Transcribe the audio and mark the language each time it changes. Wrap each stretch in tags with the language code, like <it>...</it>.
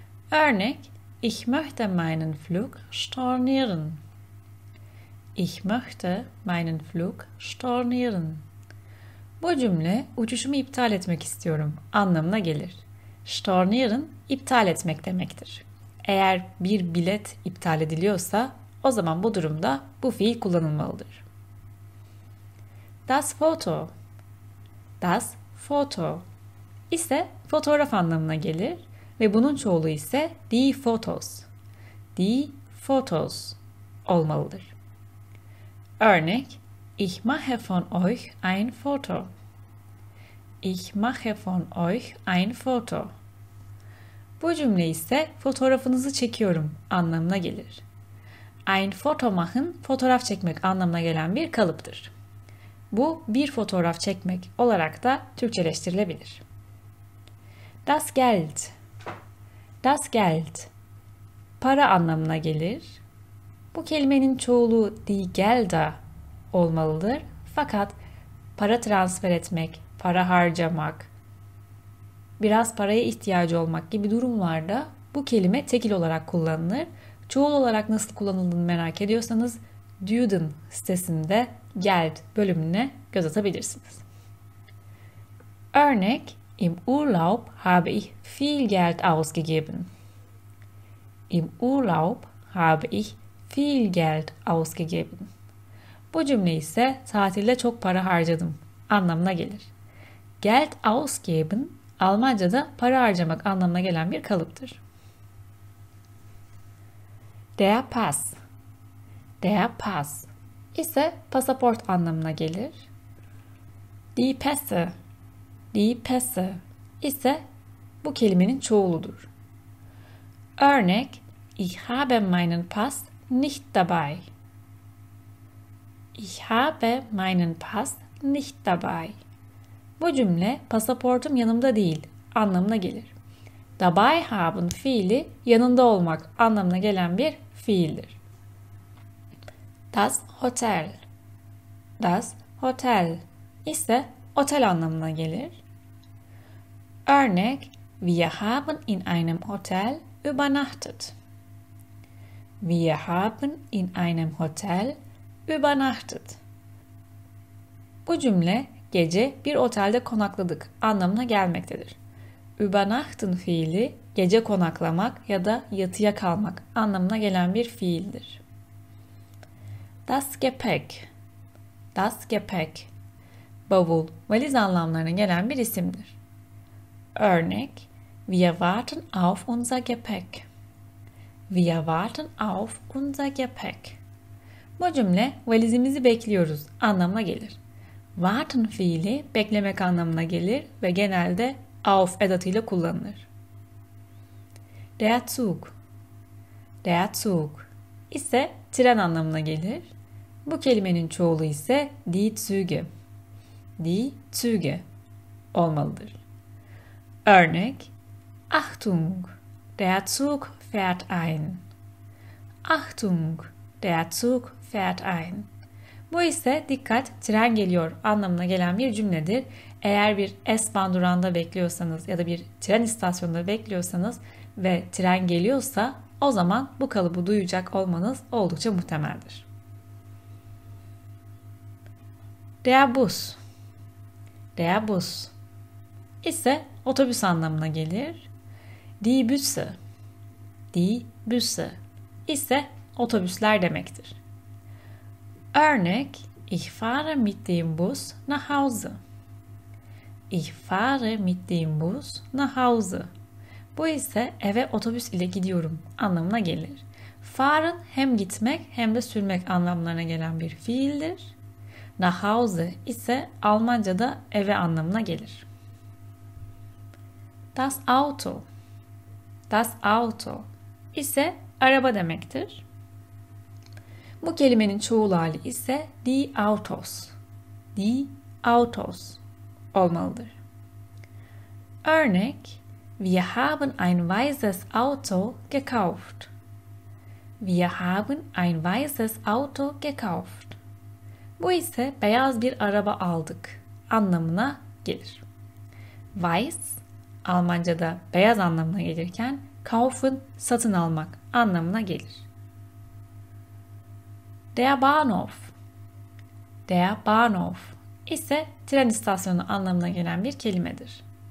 <tr>Örnek:</tr> <de>Ich möchte meinen Flug stornieren. Ich möchte meinen Flug stornieren.</de> <tr>Bu cümle uçuşumu iptal etmek istiyorum anlamına gelir. Stornieren iptal etmek demektir. Eğer bir bilet iptal ediliyorsa o zaman bu durumda bu fiil kullanılmalıdır.</tr> <de>Das Foto. Das Foto</de> <tr>ise fotoğraf anlamına gelir ve bunun çoğulu ise</tr> <de>die Fotos. Die Fotos</de> <tr>olmalıdır. Örnek:</tr> <de>Ich mache von euch ein Foto. Ich mache von euch ein Foto.</de> <tr>Bu cümle ise fotoğrafınızı çekiyorum anlamına gelir.</tr> <de>Ein Foto machen,</de> <tr>fotoğraf çekmek anlamına gelen bir kalıptır. Bu bir fotoğraf çekmek olarak da Türkçeleştirilebilir.</tr> <de>Das Geld. Das Geld.</de> <tr>Para anlamına gelir. Bu kelimenin çoğulu</tr> <de>die Gelder</de> <tr>olmalıdır. Fakat para transfer etmek, para harcamak, biraz paraya ihtiyacı olmak gibi durumlarda bu kelime tekil olarak kullanılır. Çoğul olarak nasıl kullanıldığını merak ediyorsanız Duden sitesinde Geld bölümüne göz atabilirsiniz. Örnek:</tr> <de>Im Urlaub habe ich viel Geld ausgegeben. Im Urlaub habe ich viel Geld ausgegeben.</de> <tr>Bu cümle ise tatilde çok para harcadım anlamına gelir.</tr> <de>Geld ausgeben</de> <tr>Almanca'da para harcamak anlamına gelen bir kalıptır.</tr> <de>Der Pass. Der Pass</de> <tr>ise pasaport anlamına gelir.</tr> <de>Die Pässe. Die Pässe</de> <tr>ise bu kelimenin çoğuludur. Örnek:</tr> <de>Ich habe meinen Pass nicht dabei. Ich habe meinen Pass nicht dabei.</de> <tr>Bu cümle pasaportum yanımda değil anlamına gelir.</tr> <de>Dabei haben</de> <tr>fiili yanında olmak anlamına gelen bir fiildir.</tr> <de>Das Hotel. Das Hotel</de> <tr>ise otel anlamına gelir. Örnek:</tr> <de>Wir haben in einem Hotel übernachtet. Wir haben in einem Hotel übernachtet.</de> <tr>Bu cümle gece bir otelde konakladık anlamına gelmektedir. Übernachten fiili gece konaklamak ya da yatıya kalmak anlamına gelen bir fiildir.</tr> <de>Das Gepäck. Das Gepäck.</de> <tr>Bavul, valiz anlamlarına gelen bir isimdir. Örnek:</tr> <de>Wir warten auf unser Gepäck. Wir warten auf unser Gepäck.</de> <tr>Bu cümle valizimizi bekliyoruz anlamına gelir. Warten fiili beklemek anlamına gelir ve genelde auf edatıyla kullanılır.</tr> <de>Der Zug. Der Zug</de> <tr>ise tren anlamına gelir. Bu kelimenin çoğulu ise</tr> <de>die Züge. Die Züge</de> <tr>olmalıdır. Örnek:</tr> <de>Achtung, der Zug fährt ein. Achtung, der Zug fährt ein.</de> <tr>Bu ise dikkat, tren geliyor anlamına gelen bir cümledir. Eğer bir S-Bahn durağında bekliyorsanız ya da bir tren istasyonunda bekliyorsanız ve tren geliyorsa o zaman bu kalıbı duyacak olmanız oldukça muhtemeldir. Rebus. Rebus ise otobüs anlamına gelir. Dibüsü. Dibüsü ise otobüsler demektir. Örnek:</tr> <de>Ich fahre mit dem Bus nach Hause. Ich fahre mit dem Bus nach Hause.</de> <tr>Bu ise eve otobüs ile gidiyorum anlamına gelir. Fahren hem gitmek hem de sürmek anlamlarına gelen bir fiildir.</tr> <de>Nach Hause</de> <tr>ise Almanca'da eve anlamına gelir.</tr> <de>Das Auto. Das Auto</de> <tr>ise araba demektir. Bu kelimenin çoğul hali ise</tr> <de>die Autos. Die Autos</de> <tr>olmalıdır. Örnek:</tr> <de>Wir haben ein weißes Auto gekauft. Wir haben ein weißes Auto gekauft.</de> <tr>Bu ise beyaz bir araba aldık anlamına gelir. Weiß, Almanca'da beyaz anlamına gelirken, kaufen, satın almak anlamına gelir.</tr> <de>Der Bahnhof. Der Bahnhof</de> <tr>ise tren istasyonu anlamına gelen bir kelimedir.</tr>